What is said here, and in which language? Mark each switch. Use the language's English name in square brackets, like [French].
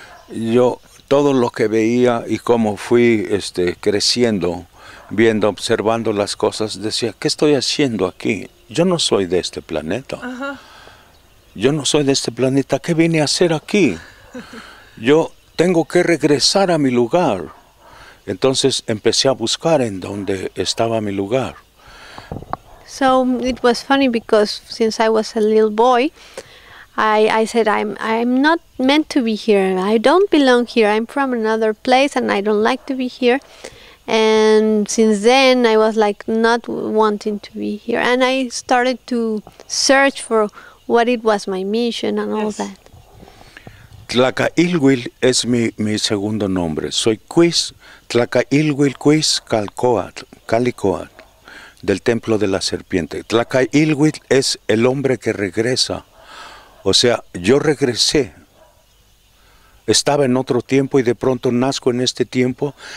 [Spanish] Yo todo lo que veía y cómo fui creciendo, viendo, observando las cosas, decía, ¿qué estoy haciendo aquí? Yo no soy de este planeta. Yo no soy de este planeta. ¿Qué vine a hacer aquí? Yo tengo que regresar a mi lugar. Entonces empecé a buscar en dónde estaba mi lugar. [English] So it was funny because since I was a little boy, I said, I'm not meant to be here. I don't belong here. I'm from another place and I don't like to be here. And since then, I was like not wanting to be here. And I started to search for what it was my mission and all that. [Spanish] Tlacailguil es mi segundo nombre. Soy Kuiz, Tlacailguil Kuiz Kalkoatl, Kalikoatl. del templo de la serpiente. Tlacaihuitl es el hombre que regresa. O sea, yo regresé. Estaba en otro tiempo y de pronto nazco en este tiempo.